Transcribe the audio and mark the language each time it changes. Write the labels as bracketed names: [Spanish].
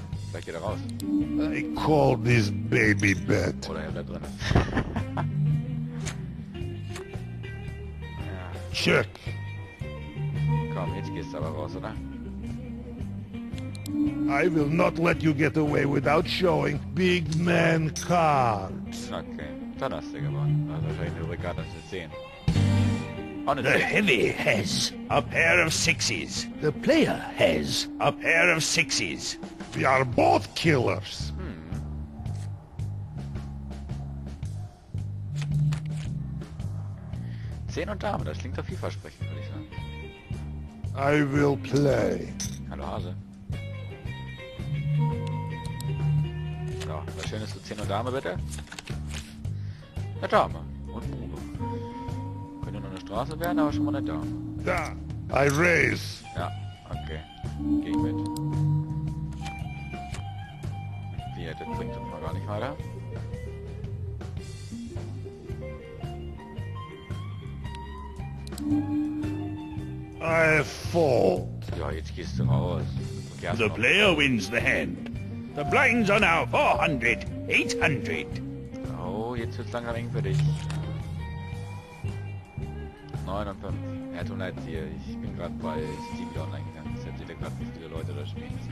[German] Vielleicht geht er raus. [English] I call this baby bet. [German] Oder er bleibt drin. [English] Check. [German] Komm, jetzt gehst du aber raus, oder? [English] I will not let you get away without showing big man cards. [German] Okay, dann hast du gewonnen. Also wahrscheinlich nur Ricardo zu sehen. [English] On the heavy has a pair of sixes. The player has a pair of sixes. We are both killers. [German] Zehn und Dame, das klingt doch vielversprechend, würde ich sagen. [English] I will play. [German] Hallo Hase. So, was Schönes zu Zehn und Dame, bitte. Eine Dame und Bube. Könnte noch eine Straße werden, aber schon mal eine Dame. [English] Da, I raise. [German] Ja, okay. Geh ich mit. Wie, das bringt uns mal gar nicht weiter. [English] I fold. [German] Ja, jetzt gehst du raus. [English] Okay, the player wins the hand. The blinds are now 400, 800. [German] Oh, jetzt wird's langer eng für dich. 59. Ja, tut leid hier. Ich bin gerade bei Steam wieder online gegangen. Ich hab wieder gerade nicht viele Leute da spielen.